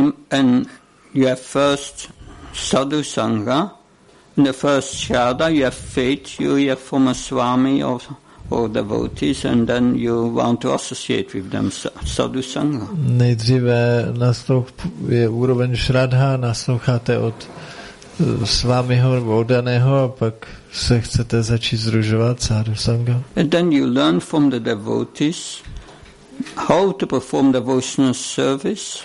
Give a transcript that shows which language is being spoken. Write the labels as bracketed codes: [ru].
[en] And you have first sadhu sangha, in the first shraddha you have faith, you hear from a swami or devotees, and then you want to associate with them, sadhu sangha. [cs] Nejdříve je úroveň shraddha, nasloucháte od svámiho nebo oddaného, a pak se chcete začít sdružovat sadhu sangha. [en] And then you learn from the devotees how to perform devotional service.